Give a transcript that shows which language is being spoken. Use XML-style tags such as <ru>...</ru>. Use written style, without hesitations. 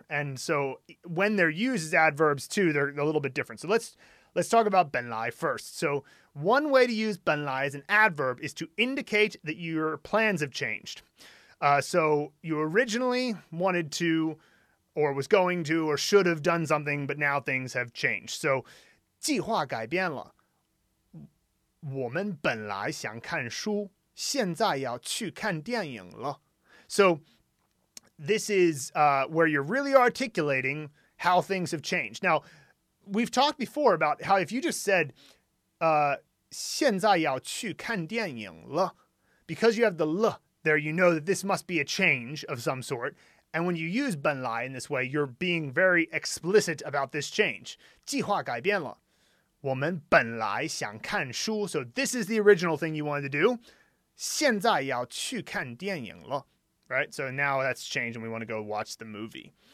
<en>And so when they're used as adverbs too, they're a little bit different. So let's talk about Ben Lai first. So one way to use Ben Lai as an adverb is to indicate that your plans have changed. So you originally wanted to, or was going to, or should have done something, but now things have changed.</en> <zh>So 计划改变了。我们本来想看书，现在要去看电影了。</zh> <en>So this is where you're really articulating how things have changed. Now, we've talked before about how if you just said</en> <zh>现在要去看电影了,</zh> <en>because you have the 了, there you know that this must be a change of some sort. And when you use 本来 in this way, you're being very explicit about this change.</en> <zh>计划改变了。我们本来想看书。</zh> <en>So this is the original thing you wanted to do.</en> <zh>现在要去看电影了。Right?</zh> <en>So now that's changed and we want to go watch the movie.</en>